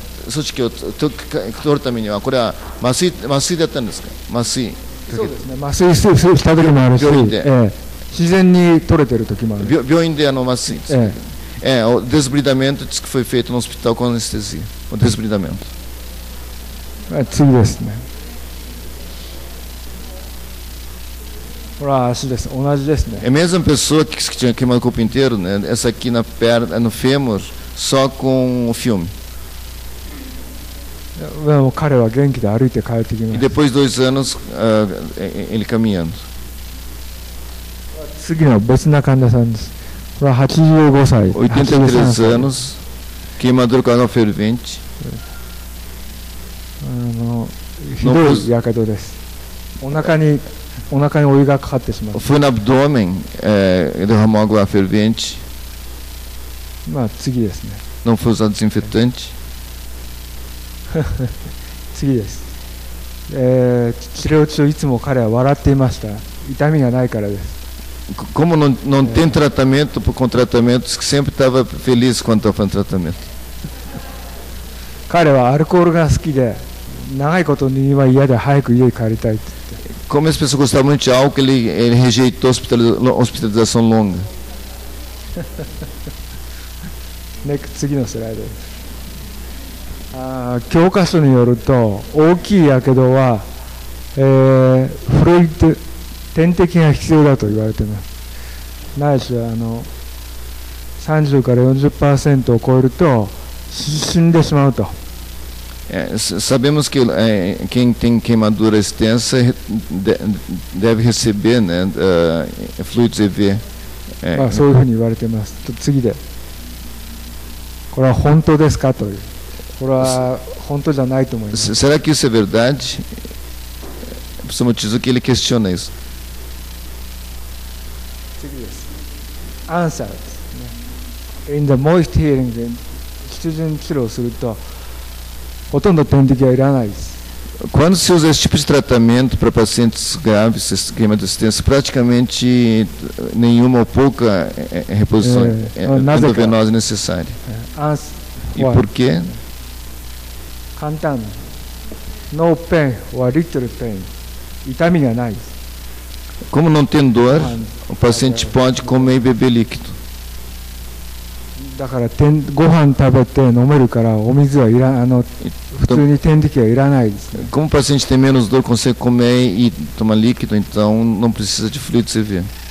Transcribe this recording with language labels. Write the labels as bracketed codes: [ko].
[ja] 組織を取るためにはこれは麻酔、麻酔でやったんですか。麻酔そうですね、麻酔した時もあるし病院で、自然に取れてる時もある。病院であの麻酔つく、 [pt] o desbridamento que foi feito no hospital com anestesia, o desbridamento. [ja] 次ですね。ほら足です。同じですね。 [pt] É a mesma pessoa que tinha queimado o corpo inteiro, né? Essa aqui na perna, no fêmur, só com o filme. Não, [ja] 彼は元気で歩いて帰ってきました。 [pt] E depois dois anos, ele caminhando. [ja] 次は別な患者さんです。これは85歳。 [pt] 83 anos, queimador com água fervente. [ja] ひどい火傷です。お腹にお湯がかかってしまった。 [pt] Foi no abdômen, derramou água fervente. [ja] まあ次ですね。 [pt] Não foi usado desinfetante. [ja] 次です。治療中いつも彼は笑っていました。痛みがないからです。 [pt] Como não tem tratamento por contratamento, que sempre estava feliz quando estava em tratamento. [ja] 彼はアルコールが好きで、長いこと入院は嫌で早く家に帰りたい。 [pt] Como essa pessoa gostava muito de álcool, ele rejeitou a hospitalização longa. [ja] Next, 次のスライドです。教科書によると、大きい火傷は、フロイト、点滴が必要だと言われています。ないし、30から40% を超えると、死んでしまうと。 [pt] Sabemos que quem tem queimadura extensa deve receber, né, fluidos EV. [ja] そういうふうに言われてます。次で、これは本当ですかと。これは本当じゃないと思います。 [pt] Será que isso é verdade? Por esse motivo que ele questiona isso. [ja] 次です。Answer です。 [en] In the moist healing, [ja] 湿潤治療をすると、ほとんど点滴はいらないです。 [pt] Quando se usa esse tipo de tratamento para pacientes graves, queimadura extensa, praticamente nenhuma ou pouca reposição endovenosa necessária. E por quê? [ja] 簡単。 [en] No pain or little pain. [ja] 痛みがない。 [pt] Como não tem dor, o paciente pode comer e beber líquido. [ja] だからご飯食べて飲めるからお水はいら普通に点滴はいらないですね。 [pt] Como o paciente tem menos dor, consegue comer e tomar líquido, então não precisa de fluido CV.